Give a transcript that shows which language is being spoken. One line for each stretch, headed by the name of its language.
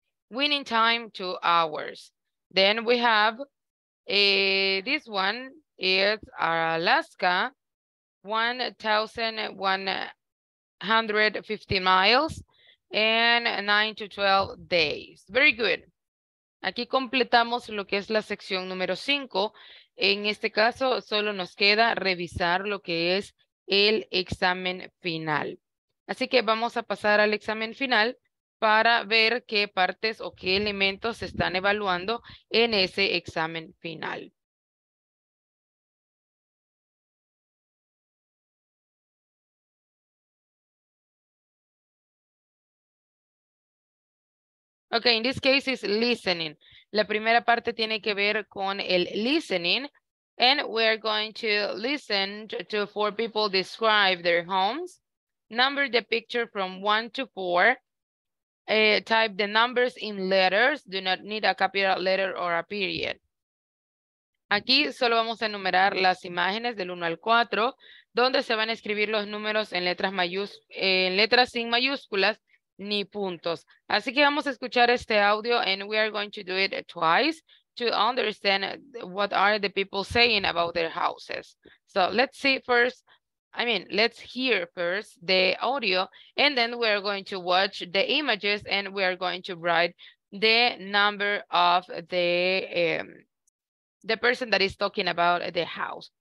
English: Winning time, 2 hours. Then we have this one is Alaska, 1,150 miles and 9 to 12 days. Very good.
Spanish: Aquí completamos lo que es la sección número 5. En este caso, solo nos queda revisar lo que es el examen final. Así que vamos a pasar al examen final para ver qué partes o qué elementos se están evaluando en ese examen final.
English: Okay, in this case is listening.
Spanish: La primera parte tiene que ver con el listening,
English: and we're going to listen to four people describe their homes. Number the picture from 1 to 4. Type the numbers in letters. Do not need a capital letter or a period.
Spanish: Aquí solo vamos a enumerar las imágenes del 1 al 4, donde se van a escribir los números en letras sin mayúsculas ni puntos. Así que vamos a escuchar este audio,
English: and we are going to do it twice to understand what are the people saying about their houses. So let's see first, let's hear first the audio, and then we're going to watch the images, and we're going to write the number of the person that is talking about the house.